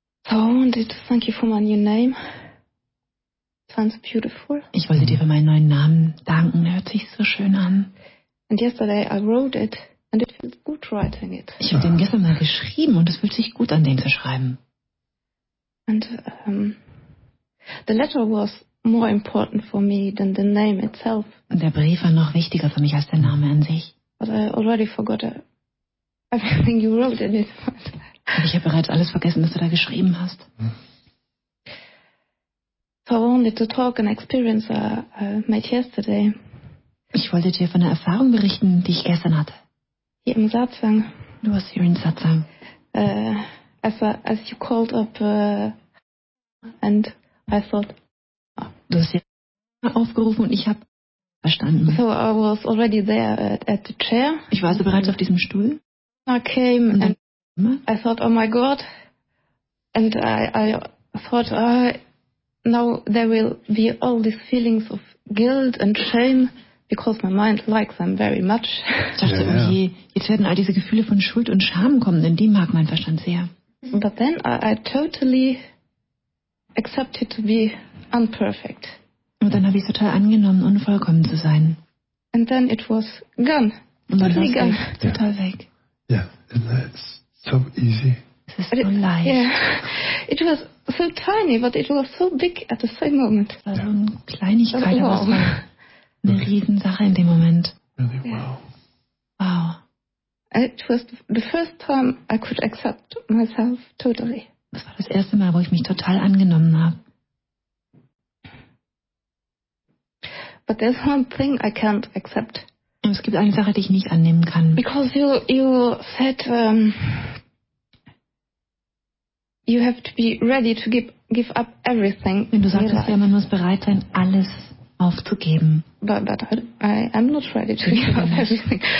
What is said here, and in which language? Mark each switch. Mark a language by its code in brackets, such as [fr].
[en] Oh, did you thank you for my new name? Sounds beautiful. [de] Ich wollte dir für meinen neuen Namen danken. Hört sich so schön an. [en] And yesterday I wrote it and it feels good writing it. [de] Ich habe den gestern mal geschrieben und es fühlt sich gut an, den zu schreiben. [en] And the letter was more important for me than the name itself. [de] Und der Brief war noch wichtiger für mich als der Name an sich. [en] But I already forgot everything you wrote in it. [de] Und ich habe bereits alles vergessen, was du da geschrieben hast. [en] So I wanted to talk an experience I made yesterday. [de] Ich wollte dir von der Erfahrung berichten, die ich gestern hatte. Hier im Satsang. Du warst hier in Satsang. [en] As you called up and I thought. [de] Du hast hier aufgerufen und ich habe verstanden. [en] So I was already there at the chair. [de] Ich war also bereits auf diesem Stuhl. [en] I came [de] und [en] and I thought, oh my God. And I thought, now there will be all these feelings of guilt and shame because my mind likes them very much. [de] Ich dachte, okay, jetzt werden all diese Gefühle von Schuld und Scham kommen, denn die mag mein Verstand sehr. [en] But then I totally accepted to be unperfect. [de] Und dann habe ich total angenommen, unvollkommen zu sein. [en] And then it was gone. [de] Und dann war es total weg. [en] Ja, yeah. Yeah. And so easy. [de] Es ist so leicht. [en] Yeah. It was so tiny, but it was so big at the same moment. [de] Es war so eine Kleinigkeit, aber es war eine Riesensache in dem Moment. [en] Really, wow. Wow. It was the first time I could accept myself totally. [de] Das war das erste Mal, wo ich mich total angenommen habe. [en] But there's one thing I can't accept. [de] Und es gibt eine Sache, die ich nicht annehmen kann. [en] Because you said you have to be ready to give up everything. [de] Wenn du sagtest, ja, man muss bereit sein, alles aufzugeben. [en] But I am not ready to give up everything.